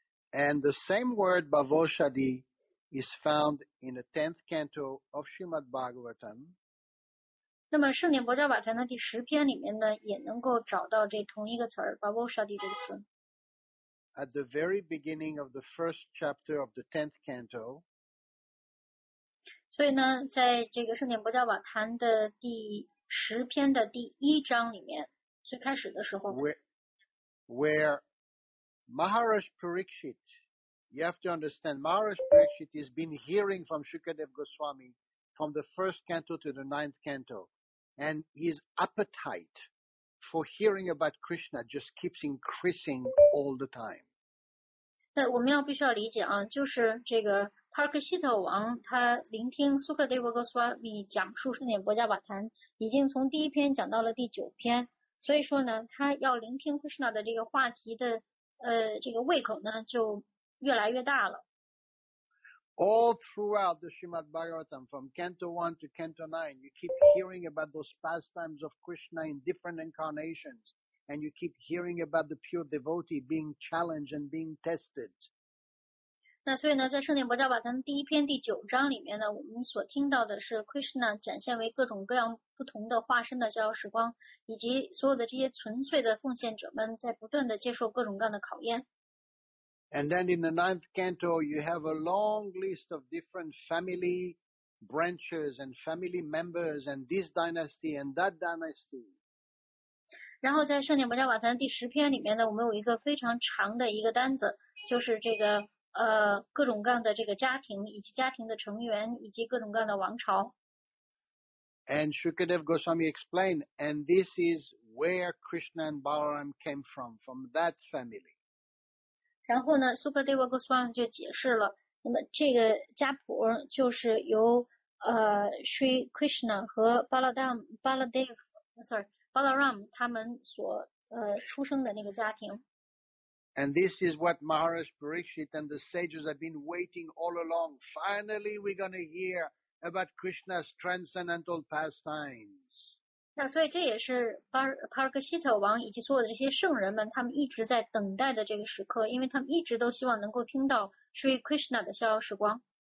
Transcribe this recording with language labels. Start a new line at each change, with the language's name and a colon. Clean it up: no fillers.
English: And the same word Bavoshadi is found in the 10th canto of Srimad Bhagavatam.
Chinese: 那么圣典薄伽瓦坛的第十篇里面呢，也能够找到这同一个词儿 Bavoshadi 这个词。
English: At the very beginning of the first chapter of the 10th canto.
Chinese: 所以呢，在这个圣典薄伽瓦坛的第十篇的第一章里面，最开始的时候。
English: Where Maharaj Parikshit, you have to understand, Maharaj Parikshit has been hearing from Shukadev Goswami from the first canto to the 9th canto. And his appetite for hearing about Krishna just keeps increasing all the time.
Chinese: 我们要必须要理解啊，就是这个帕克希特王他聆听苏克德沃格斯瓦米讲述圣典薄伽瓦坛，已经从第一篇讲到了第九篇，所以说呢，他要聆听 Krishna 的这个话题的这个胃口呢就越来越大了。
English: All throughout the Srimad Bhagavatam, from Canto 1 to Canto 9, you keep hearing about those pastimes of Krishna in different incarnations. And you keep hearing about the pure devotee being challenged and being tested.
Chinese: 那所以呢，在圣典薄伽瓦坛第一篇第九章里面呢，我们所听到的是 Krishna 展现为各种各样不同的化身的逍遥时光，以及所有的这些纯粹的奉献者们在不断的接受各种各样的考验。
English: And then in the ninth canto, you have a long list of different family branches and family members, and this dynasty and that dynasty.
Chinese: 然后在圣典薄伽瓦坛第十篇里面呢，我们有一个非常长的一个单子，就是这个各种各样的这个家庭，以及家庭的成员，以及各种各样的王朝。
English: And Shukadev Goswami explained, and this is where Krishna and Balaram came from that family.
Chinese: 然后呢，苏克德沃 Goswami 就解释了，那么这个家谱就是由 Sri Krishna 和 Balaram 他们所出生的那个家庭。
English: And this is what Maharaj Parikshit and the sages have been waiting all along. Finally, we're going to hear about Krishna's transcendental pastimes.
Chinese: 那所以这也是帕尔格西特王以及所有的这些圣人们他们一直在等待的这个时刻，因为他们一直都希望能够听到 Sri Krishna 的逍遥时光。